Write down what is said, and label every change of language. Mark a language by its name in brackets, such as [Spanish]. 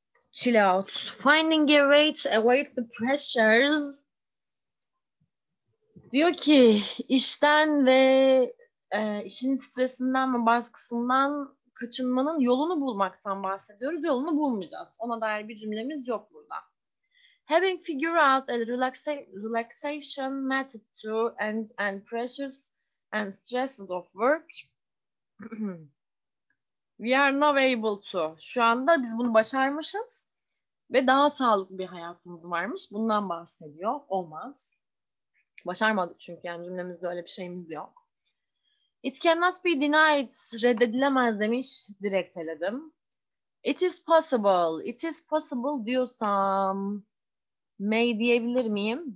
[English] Chill out. Finding a way to avoid the pressures. [Turkish] Diyor ki işten ve işin stresinden ve baskısından kaçınmanın yolunu bulmaktan bahsediyoruz. Yolunu bulmayacağız. Ona dair bir cümlemiz yok burada. [English] Having figured out a relaxation method to end and pressures and stresses of work, we are now able to. [Turkish] Şu anda biz bunu başarmışız ve daha sağlıklı bir hayatımız varmış. Bundan bahsediyor. Olmaz. Başarmadık çünkü yani cümlemizde öyle bir şeyimiz yok. [English] It cannot be denied, [Turkish] reddedilemez demiş, direkt eledim. [English] It is possible, it is possible [Turkish] diyorsam may diyebilir miyim?